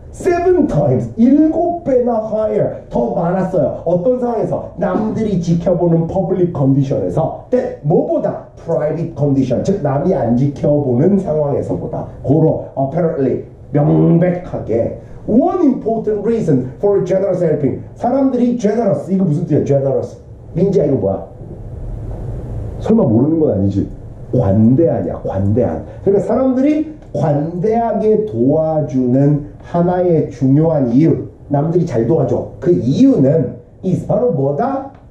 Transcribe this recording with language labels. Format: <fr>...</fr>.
<en>Seven times.</en> <ko>7배나 higher. 더 많았어요. 어떤 상황에서? 남들이 지켜보는</ko> <en>public condition</en> <ko>에서. 때 뭐보다</ko> <en>private condition.</en> <ko>즉 남이 안 지켜보는 상황에서보다 고로 apparently 명백하게.</ko> <en>One important reason for generous helping.</en> <ko>사람들이 generous. 이거 무슨 뜻이야? generous. 민지야, 이거 뭐야? 설마 모르는 건 아니지? 관대하냐, 관대한. 그러니까 사람들이 관대하게 도와주는 하나의 중요한 이유. 남들이 잘 도와줘. 그 이유는 is 바로 뭐다?</ko>